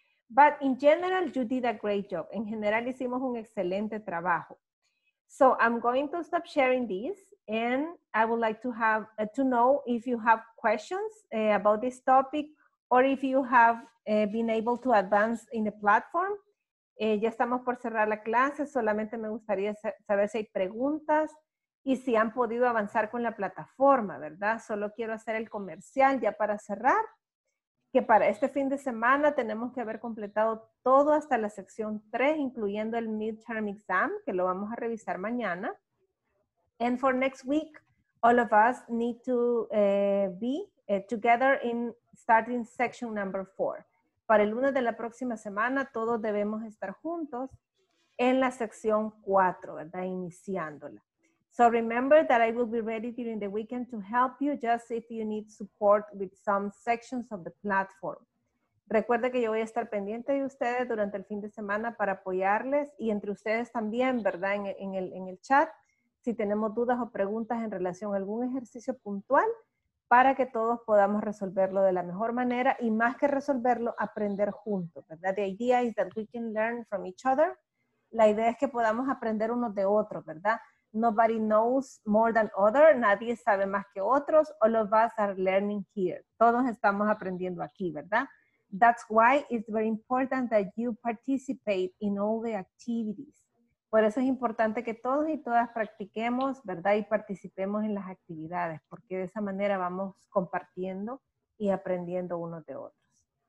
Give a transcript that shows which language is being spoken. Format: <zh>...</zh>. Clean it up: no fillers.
<en>But in general, you did a great job.</en> <es>En general, hicimos un excelente trabajo.</es> <en>So I'm going to stop sharing this, and I would like to have to know if you have questions about this topic or if you have been able to advance in the platform.</en> <es>Ya estamos por cerrar la clase. Solamente me gustaría saber si hay preguntas. Y si han podido avanzar con la plataforma, ¿verdad? Solo quiero hacer el comercial ya para cerrar, que para este fin de semana tenemos que haber completado todo hasta la sección 3, incluyendo el midterm exam, que lo vamos a revisar mañana.</es> <en>And for next week, all of us need to be together in starting section number 4.</en> <es>Para el lunes de la próxima semana, todos debemos estar juntos en la sección 4, ¿verdad? Iniciándola.</es> <en>So remember that I will be ready during the weekend to help you just if you need support with some sections of the platform.</en> <es>Recuerde que yo voy a estar pendiente de ustedes durante el fin de semana para apoyarles y entre ustedes también, ¿verdad? En el chat, si tenemos dudas o preguntas en relación a algún ejercicio puntual para que todos podamos resolverlo de la mejor manera y más que resolverlo, aprender juntos, ¿verdad?</es> <en>The idea is that we can learn from each other.</en> <es>La idea es que podamos aprender unos de otros, ¿verdad?</es> <en>Nobody knows more than other.</en> <es>Nadie sabe más que otros.</es> <en>All of us are learning here.</en> <es>Todos estamos aprendiendo aquí, ¿verdad?</es> <en>That's why it's very important that you participate in all the activities.</en> <es>Por eso es importante que todos y todas practiquemos, ¿verdad? Y participemos en las actividades, porque de esa manera vamos compartiendo y aprendiendo unos de otros.</es>